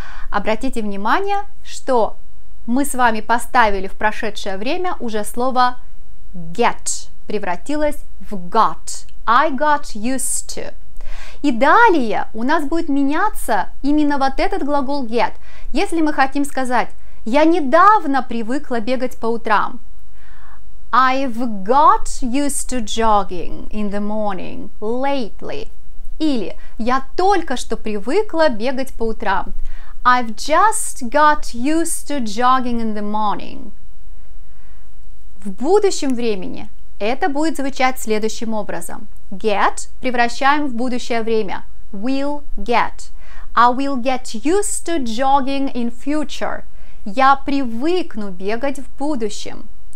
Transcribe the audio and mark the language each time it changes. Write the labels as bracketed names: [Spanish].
[Russian] Обратите внимание, что мы с вами поставили в прошедшее время уже слово get превратилось в got. [English] I got used to. [Russian] И далее у нас будет меняться именно вот этот глагол get. Если мы хотим сказать Я недавно привыкла бегать по утрам. [English] I've got used to jogging in the morning lately. [Russian] Или я только что привыкла бегать по утрам. [English] I've just got used to jogging in the morning. [Russian] В будущем времени это будет звучать следующим образом. Get превращаем в будущее время. [English] Will get. I will get used to jogging in future. [Russian] Я привыкну бегать в будущем.